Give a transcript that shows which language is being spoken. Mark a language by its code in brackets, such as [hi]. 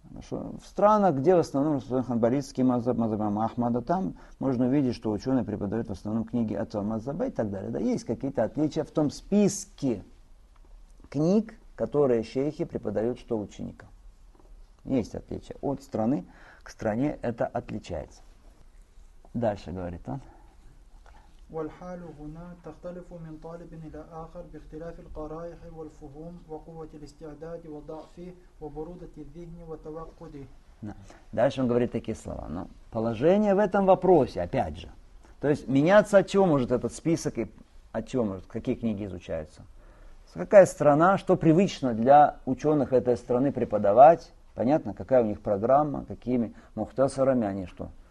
[ru] В странах, где в основном распространен ханбалитский мазхаб, мазхаб Ахмада, там можно увидеть, что ученые преподают в основном книги этого мазхаба и так далее. Да, есть какие-то отличия в том списке книг, которые шейхи преподают что ученикам. Есть отличия. От страны к стране это отличается. Дальше говорит он. [ar] والحال هنا تختلف من طالب إلى آخر باختلاف القرائح والفهوم وقوة الاستعداد وضعفه وبرودة الذهن وتوقده. [ru] Дальше он говорит такие слова. Но положение в этом вопросе, опять же. То есть меняться от чего может этот список и от чего может, какие книги изучаются. Какая страна, что привычно для ученых этой страны преподавать. Понятно, какая у них программа, какими мухтасарами они что.